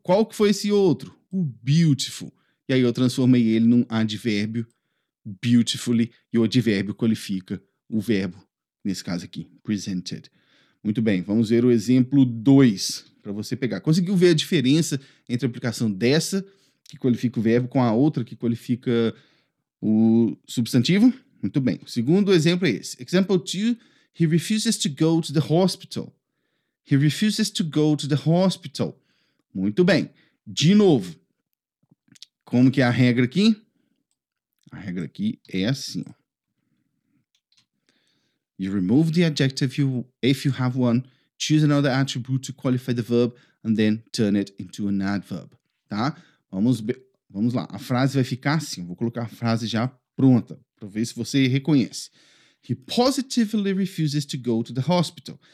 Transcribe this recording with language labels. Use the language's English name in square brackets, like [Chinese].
[Portuguese] Qual que foi esse outro? O beautiful. E aí eu transformei ele num advérbio, beautifully, e o advérbio qualifica o verbo, nesse caso aqui, presented. Muito bem, vamos ver o exemplo 2 para você pegar. Conseguiu ver a diferença entre a aplicação dessa, que qualifica o verbo, com a outra, que qualifica o substantivo? Muito bem. O segundo exemplo é esse. [English] Example 2, he refuses to go to the hospital. He refuses to go to the hospital. [Portuguese] Muito bem. De novo, como que é a regra aqui? A regra aqui é assim, ó. [English] You remove the adjective if you have one, choose another attribute to qualify the verb, and then turn it into an adverb. [Portuguese] Tá? Vamos lá. A frase vai ficar assim. Vou colocar a frase já pronta, para ver se você reconhece. [English] He positively refuses to go to the hospital.